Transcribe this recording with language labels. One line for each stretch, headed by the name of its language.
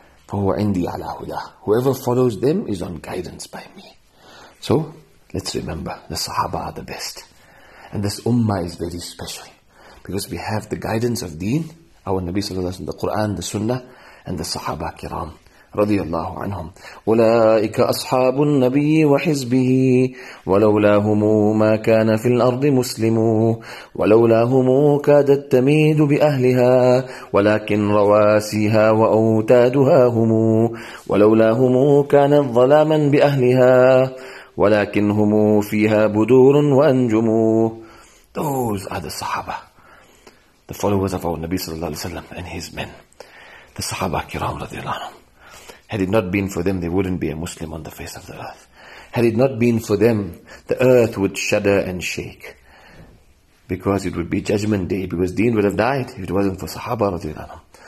Arabic: فَهُوَ عِنْدِي عَلَى هُدَى.
English: Whoever follows them is on guidance by me. So, let's remember, the Sahaba are the best. And this Ummah is very special, because we have the guidance of Deen, our Nabi sallallahu alayhi wa sallam, the Quran, the Sunnah, and the Sahaba kiram.
Arabic: رضي الله عنهم أولئك أصحاب النبي وحزبه ولولاهم ما كان في الأرض مسلمو ولولاهم كادت تميد بأهلها ولكن رواسيها وأوتادها هم ولولاهم كانت ظلاما بأهلها ولكن هم فيها بدور وأنجمو.
English: Those are the Sahaba, the followers of our Nabi sallallahu alaihi wasallam and his men, the Sahaba kiram
Arabic: رضي الله عنهم.
English: Had it not been for them, there wouldn't be a Muslim on the face of the earth. Had it not been for them, the earth would shudder and shake, because it would be judgment day, because Deen would have died if it wasn't for Sahaba radiallahu anhum.